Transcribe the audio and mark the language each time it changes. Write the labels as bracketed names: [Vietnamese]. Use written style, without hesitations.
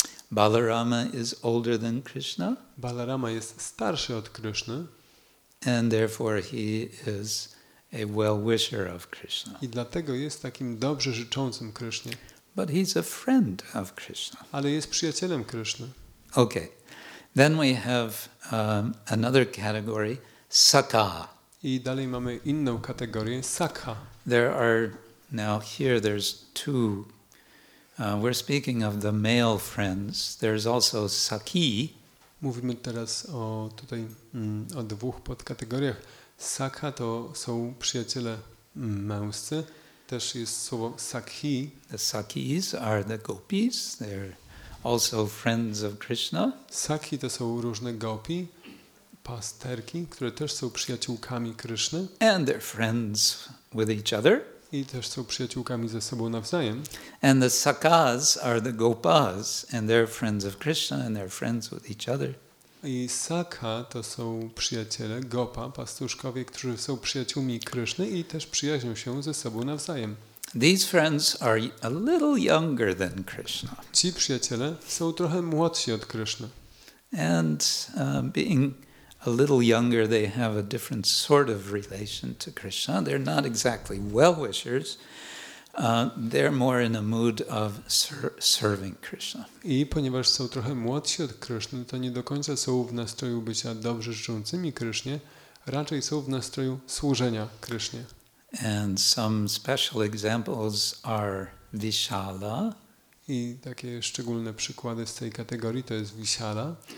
[English] Balarama is older than Krishna. [Polish] Balarama jest starszy od Krishna. [English] And therefore he is a well-wisher of Krishna. [Polish] I dlatego jest takim dobrze życzącym Krysznie. [English] But he's a friend of Krishna. [Polish] Ale jest przyjacielem Kryszny. [English] Okay. Then we have another category, Sakha. [Polish] I dalej mamy inną kategorię, sakha. [English] There are now here there's two. We're speaking of the male friends. There's also sakhi. [Polish] Mówimy teraz o tutaj o dwóch podkategoriach. Sakha to są przyjaciele męscy. Też jest słowo sakhi. [English] The sakhis are the gopis. They're also friends of Krishna. [Polish] Sakhi to są różne gopi, pasterki, które też są przyjaciółkami Kryszny. [English] And they're friends with each other. [Polish] I też są przyjaciółkami ze sobą nawzajem. [English] And the sakhas are the gopas, and they're friends of Krishna, and they're friends with each other. [Polish] I sakha to są przyjaciele, gopa, pastuszkowie, którzy są przyjaciółmi Kryszny i też przyjaźnią się ze sobą nawzajem. [English] These friends are a little younger than Krishna. [Polish] Ci przyjaciele są trochę młodsi od Kryszny. [English] And being a little younger, they have a different sort of relation to Krishna. They're not exactly well-wishers. They're more in a mood of serving Krishna. [Polish] I ponieważ są trochę młodsi od Kryszny, to nie do końca są w nastroju bycia dobrze życzącymi Krysznie, raczej są w nastroju służenia Krysznie. [English] And some special examples are Vishala. [Polish] I takie szczególne przykłady z tej kategorii to jest Vishala.